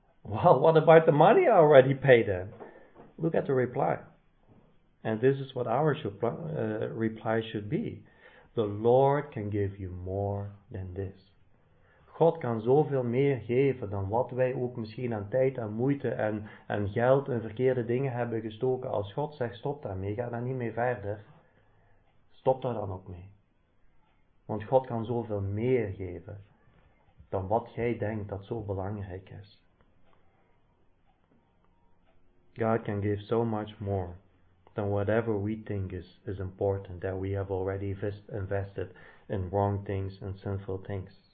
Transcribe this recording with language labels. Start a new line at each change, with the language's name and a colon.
English: Well, what about the money I already paid then? Look at the reply. And this is what our reply should be. The Lord can give you more than this.
Dutch: God kan zoveel meer geven dan wat wij ook misschien aan tijd en moeite en geld in verkeerde dingen hebben gestoken. Als God zegt, stop daarmee, ga daar niet mee verder. Stop daar dan ook mee. Want God kan zoveel meer geven dan wat jij denkt dat zo belangrijk is.
English: God can give so much more than whatever we think is important that we have already invested in wrong things and sinful things.